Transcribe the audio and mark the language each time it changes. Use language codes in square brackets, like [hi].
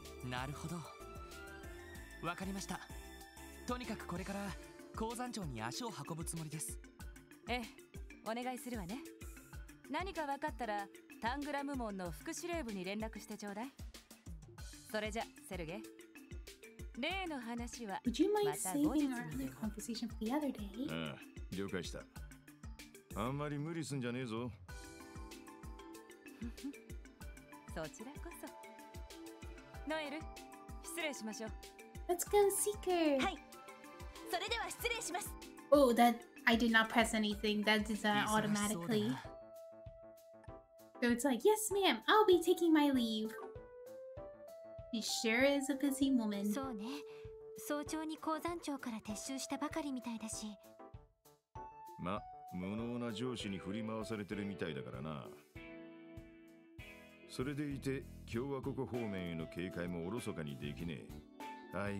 [ja] なるほど、わかりました。とにかくこれから鉱山町に足を運ぶつもりです。ええ、お願いするわね。何かわかったらタングラム門の副司令部に連絡してちょうだい。それじゃセルゲ、例の話は、 [en] Would you mind saving our other conversation for the other day? [ja] ああ、了解した。あんまり無理すんじゃねえぞ。そちらこそ。ノエル、失礼しましょう。 [en] Let's go, Seeker! [ja] はい。それでは失礼します。 [en] Oh, that... I did not press anything. That did that automatically. So it's like, yes, ma'am, I'll be taking my leave. She sure is a busy woman. [ja] そうね。早朝に鉱山町から撤収したばかりみたいだし。ま、無能な上司に振り回されてるみたいだからな。それでいて共和国方面への警戒もおろそかにできねえ。